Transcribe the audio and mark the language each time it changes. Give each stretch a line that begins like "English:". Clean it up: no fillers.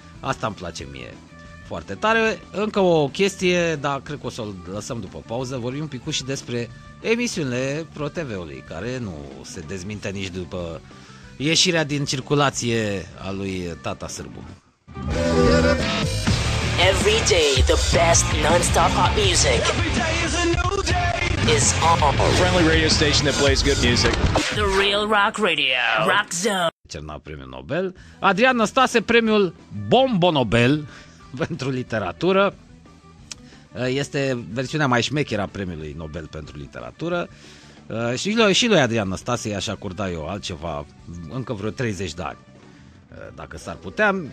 Romanian: Asta îmi place mie foarte tare. Încă o chestie, dar cred că o să o lăsăm după pauză. Vorbim un pic și despre emisiunile ProTV-ului, care nu se dezminte nici după ieșirea din circulație a lui Tata Sârbu.
English: Every day the best non-stop pop music. Is all. A friendly radio station that plays good music. The Real Rock Radio. Rock Zone.
Romanian: Cerna premiul Nobel. Adrian Năstase, premiul Bombo Nobel pentru literatură. Este versiunea mai șmecheră a premiului Nobel pentru literatură. Și lui Adrian Năstase i-aș acorda eu altceva încă vreo 30 de ani, dacă s-ar putea.